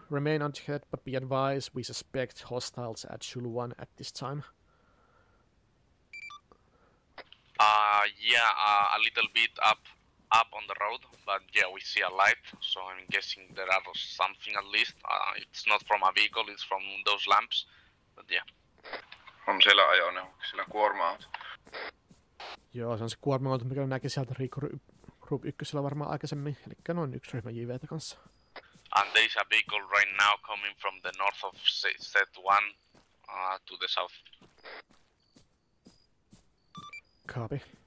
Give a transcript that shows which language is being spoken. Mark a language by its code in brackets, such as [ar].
[en] Remain unchecked, but be advised we suspect hostiles at Zulu 1 at this time. A little bit up on the road, but yeah, we see a light, so I'm guessing there are something at least. It's not from a vehicle, it's from those lamps, but yeah. [fi] From siellä ajoneuvo, siellä kuorma-auto. Joo, se on se kuorma-auto, mikä näki sieltä Group 1 varmaan aikaisemmin, eli noin yksi ryhmä JV:tä kanssa. [en] And there's a vehicle right now coming from the north of Z1 to the south. Copy.